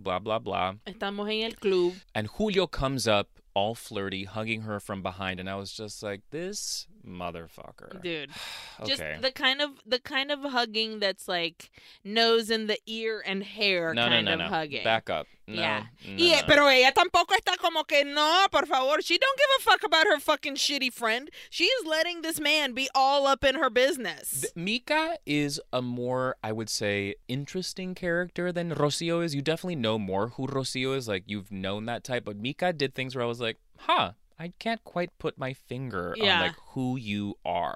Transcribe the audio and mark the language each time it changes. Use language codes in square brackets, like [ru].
[en] Blah, blah, blah. [es] Estamos en el club. [en] And Julio comes up all flirty, hugging her from behind. And I was just like, this motherfucker. Dude. Okay. Just the kind of hugging that's like nose in the ear and hair hugging. Back up. No. Yeah. No, yeah, no. [es] Pero ella tampoco está como que no, por favor. [en] She don't give a fuck about her fucking shitty friend. She's letting this man be all up in her business. Mika is a more, I would say, interesting character than Rocio is. You definitely know more who Rocio is. Like, you've known that type. But Mika did things where I was like, huh, I can't quite put my finger on, like, who you are.